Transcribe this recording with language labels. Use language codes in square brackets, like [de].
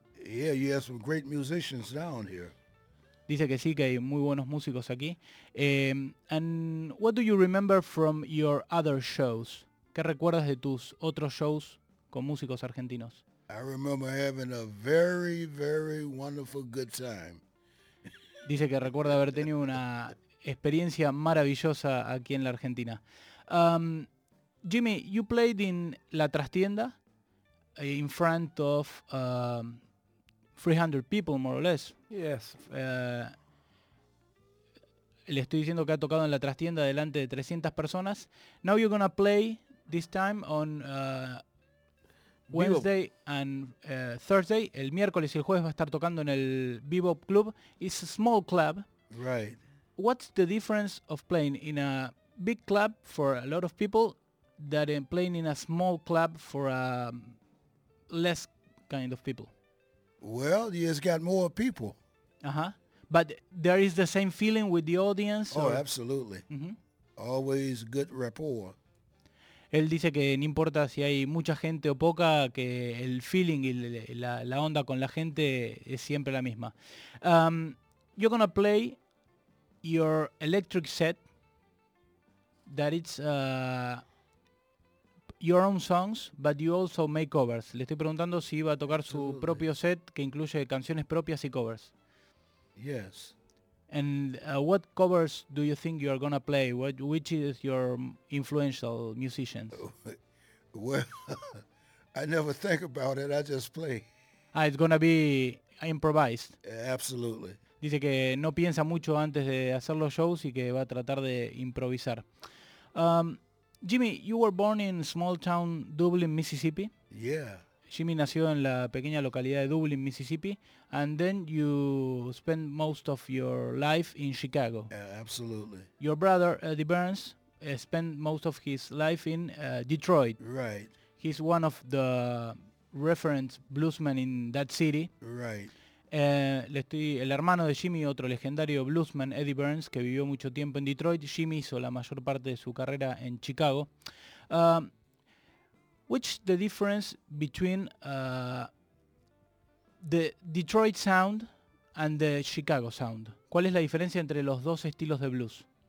[en] Yeah, you have some great musicians down here. [es] Dice que sí, que hay muy buenos músicos aquí. [en] And what do you remember from your other shows? [es] ¿Qué recuerdas de tus otros shows con músicos argentinos? [en] I remember having a very, very wonderful good time. [es] Dice que recuerda haber tenido una experiencia maravillosa aquí en la Argentina. [en] Jimmy, you played in La Trastienda in front of 300 people, more or less. Yes. [es] Le estoy diciendo que ha tocado en La Trastienda delante de 300 personas. [en] Now you're going to play this time on... Wednesday and Thursday, [es] el miércoles y el jueves va a estar tocando en el Bebop Club. [en] It's a small club. Right. What's the difference of playing in a big club for a lot of people than playing in a small club for less kind of people? Well, you just got more people. Uh-huh. But there is the same feeling with the audience? Oh, absolutely. Mm-hmm. Always good rapport. [es] Él dice que no importa si hay mucha gente o poca, que el feeling y la onda con la gente es siempre la misma. [en] You're gonna play your electric set, that it's your own songs, but you also make covers. [es] Le estoy preguntando si iba a tocar su propio set, que incluye canciones propias y covers. [en] Yes. And what covers do you think you are going to play? Which is your influential musician? Well, I never think about it. I just play. Ah, it's going to be improvised. Absolutely. [es] Dice que no piensa mucho antes de hacer los shows y que va a tratar de improvisar. [en] Jimmy, you were born in small town Dublin, Mississippi. Yeah. [es] Jimmy nació en la pequeña localidad de Dublin, Mississippi, [en] and then you spent most of your life in Chicago. Absolutely. Your brother, Eddie Burns, spent most of his life in Detroit. Right. He's one of the reference bluesmen in that city. Right. [es] El hermano de Jimmy, otro legendario bluesman, Eddie Burns, que vivió mucho tiempo en Detroit, Jimmy hizo la mayor parte de su carrera en Chicago. [en] Which the difference between the Detroit sound and the Chicago sound? [es] ¿Cuál es la diferencia entre los dos estilos de blues?